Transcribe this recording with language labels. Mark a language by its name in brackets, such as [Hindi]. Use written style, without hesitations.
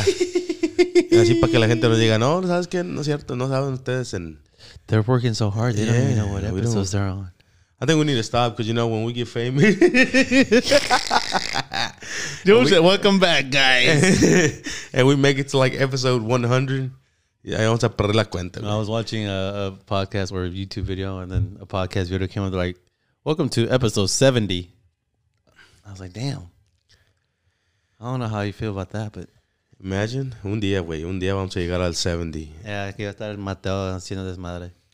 [Spanish] Así para que la gente nos diga, no, ¿sabes qué? No es cierto. No saben ustedes. En... [English] They're working so hard. They don't even know what episodes they're on. I think we need to stop because, you know, when we get famous. Joseph, welcome back, guys. And we make it to like episode 100. Yeah, [Spanish] vamos a perder la cuenta. [English] I was watching a podcast or a YouTube video, and then a podcast video came up like, welcome to episode 70. I was like, damn. I don't know how you feel about that, but. [Spanish] Imagine. Un día, güey. Un día vamos a llegar al 70. Yeah, aquí va a estar Mateo haciendo desmadre.